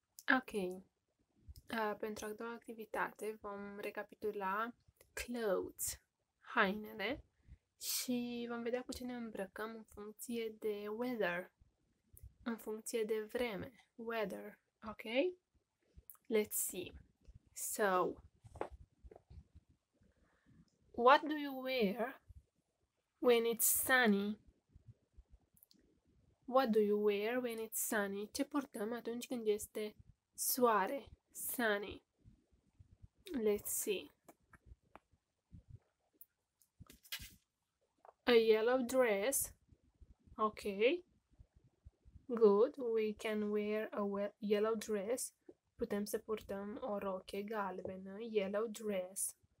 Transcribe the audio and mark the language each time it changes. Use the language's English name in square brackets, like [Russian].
[Romanian] Ok, pentru a doua activitate vom recapitula clothes. Hainele și vom vedea cu ce ne îmbrăcăm în funcție de weather, în funcție de vreme, weather, ok? [English] Let's see. So, what do you wear when it's sunny? What do you wear when it's sunny? [Romanian] Ce purtăm atunci când este soare, sunny? [English] Let's see. A yellow dress, okay, good, we can wear a yellow dress, [Romanian] putem să purtăm o roche galbenă, [English] yellow dress.